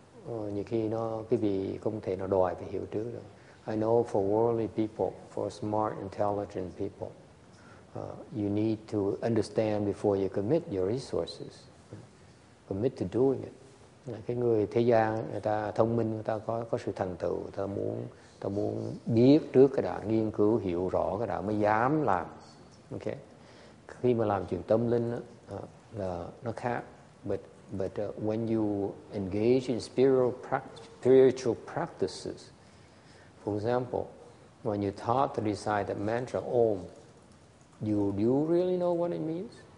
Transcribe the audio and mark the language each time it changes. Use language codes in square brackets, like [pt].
[vi] Nhiều khi nó cái vị không thể nó đòi phải hiểu trước được. [en] I know for worldly people, for smart, intelligent people, you need to understand before you commit your resources. Commit to doing it. [vi] Cái người thế gian người ta thông minh, người ta có sự thành tựu, ta muốn biết trước cái đã, nghiên cứu hiểu rõ cái đã mới dám làm. Okay. Khi mà làm chuyện tâm linh là nó khác. [en] But when you engage in spiritual practices, for example, when you taught to recite the mantra Om, do you really know what it means?